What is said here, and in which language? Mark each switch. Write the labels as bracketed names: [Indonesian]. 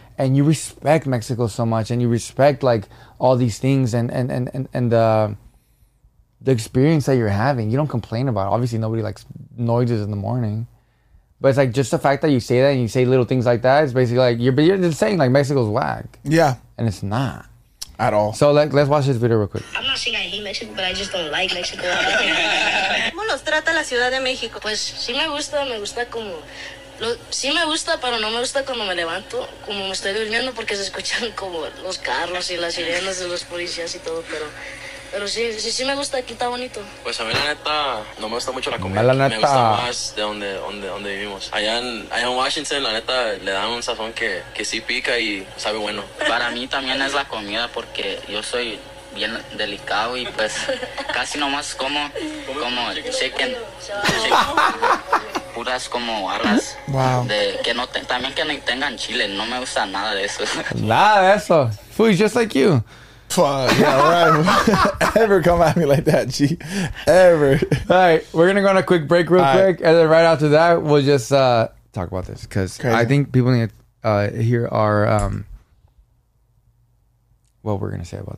[English] And you respect Mexico so much. And you respect, like, all these things and the experience that you're having. You don't complain about it. Obviously, nobody likes noises in the morning. But it's like just the fact that you say that and you say little things like that, it's basically like you're just saying like Mexico's whack. Yeah. And it's not. At all. So let's watch this video real quick. I'm not saying I hate Mexico, but I just don't like Mexico. [Spanish] ¿Cómo los trata la Ciudad de México? Pues sí me gusta como... Sí me gusta, pero no me gusta cuando me levanto, como me estoy durmiendo, porque se escuchan como los carros y las sirenas de los policías y todo, pero sí me gusta, aquí está bonito. Pues a mí la neta, no me gusta mucho la comida. La neta. Me gusta más de donde vivimos. Allá en Washington, la neta, le dan un sazón que sí pica y sabe bueno. Para mí también es la comida, porque yo soy bien delicado y pues casi nomás como chicken. Puras como barras. Wow. También que no tengan chile, no me gusta nada de eso. Nada de eso. [English] Food just like you. Fuck, yeah, right. Ever come at me like that, G. Ever. All right, we're going to go on a quick break real quick. And then right after that, we'll just talk about this. Because I think people need to hear our, what we're going to say about